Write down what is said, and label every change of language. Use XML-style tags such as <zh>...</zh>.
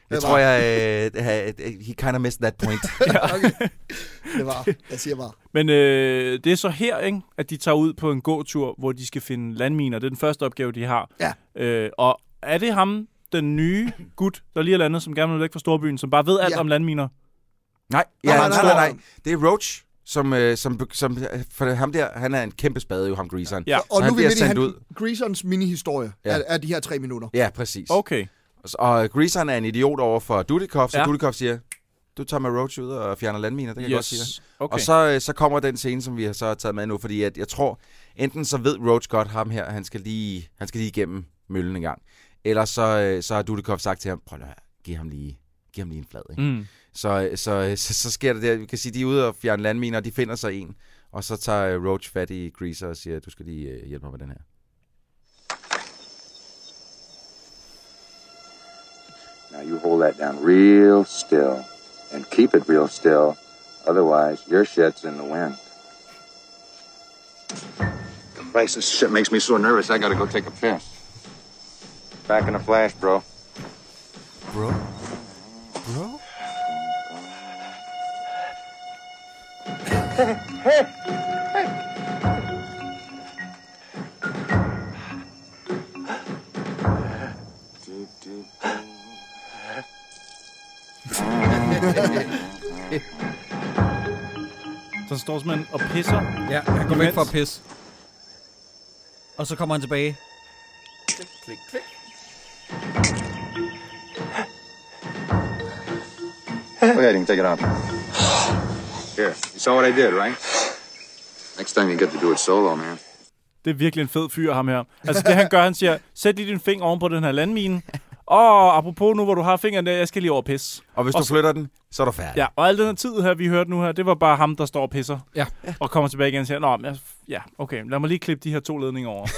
<da>det tror jeg,</da> <en>he kind of missed that point.</en> <da>Okay. Det var, jeg siger bare. Men det er så her, ikke, at de tager ud på en gåtur, hvor de skal finde landminer. Det er den første opgave, de har. Ja. Og er det ham, den nye gut, der lige er landet, som gerne vil væk fra storbyen, som bare ved alt om landminer? Nej. Det er Roach. Som for ham der, han er en kæmpe spade jo, ham greaseren. Ja. Og nu vil vi lige greaserens mini-historie af de her 3 minutter. Ja, præcis. Okay. Og greaseren er en idiot over for Dudikoff, så Dudikoff siger, du tager med Roach ud og fjerner landminer, det kan jeg godt sige. Okay. Og så kommer den scene, som vi har så taget med nu, fordi at jeg tror, enten så ved Roach godt ham her, han skal lige igennem møllen en gang, eller så har Dudikoff sagt til ham, prøv at give ham lige en flad, ikke? Mm. Så sker det der, vi kan sige, de er ude og fjerne landminer, og de finder sig en. Og så tager Roach fat i Greaser og siger, du skal lige hjælpe mig med den her.</da> <en>Now you hold that down real still, and keep it real still, otherwise your shit's in the wind. Christ, this shit makes me so nervous, I gotta go take a piss. Back in a flash, bro. Bro? Bro?</en> <da>Så står man og pisser. Ja, han går væk for at pisse. Og så kommer han tilbage. Klik, klik.</da> <en>Go ahead and take it off. Here, you saw what I did, right? Next time you get to do it solo, man.</en> <da>Det er virkelig en fed fyr, ham her. Altså det, han gør, han siger, sæt lige din finger oven på den her landmine. Og apropos nu, hvor du har fingeren der, jeg skal lige over pisse. Og hvis du flytter den, så er du færdig. Ja, og al den her tid her, vi hørte nu her, det var bare ham, der står og pisser. Ja. Og kommer tilbage igen og siger, okay, lad mig lige klippe de her 2 ledninger over.</da>